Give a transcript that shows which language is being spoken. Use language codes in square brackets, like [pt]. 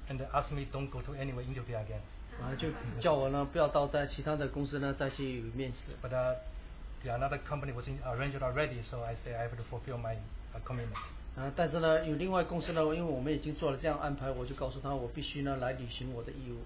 [en] And they asked me don't go to anywhere interview again. [zh] 就叫我呢，不要到其他的公司呢再去面试。 [en] But the another company was arranged already, so I say I have to fulfill my commitment. [zh] 但是呢，有另外公司呢，因为我们已经做了这样安排，我就告诉他我必须呢来履行我的义务。